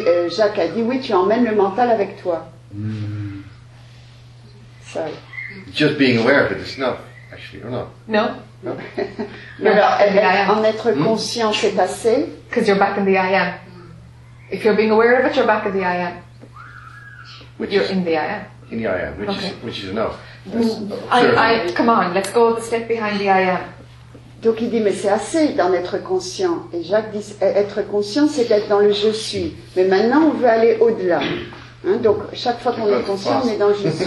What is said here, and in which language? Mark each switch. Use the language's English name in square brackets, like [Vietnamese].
[French] Jacques a dit oui, tu emmènes le mental avec toi. [English] So. Just being aware of it is enough, actually, or not? No. [French] No. En être conscient, c'est assez. [English] Because you're back in the I am. If you're being aware of it, you're back in the I am. In the I am. In the I am, which is enough. Come on, let's go the step behind the I am. [French] Donc il dit, mais c'est assez d'en être conscient. Et Jacques dit, être conscient, c'est d'être dans le je suis. Mais maintenant, on veut aller au-delà. Hein, donc, chaque fois qu'on est conscient, on est dans le juste.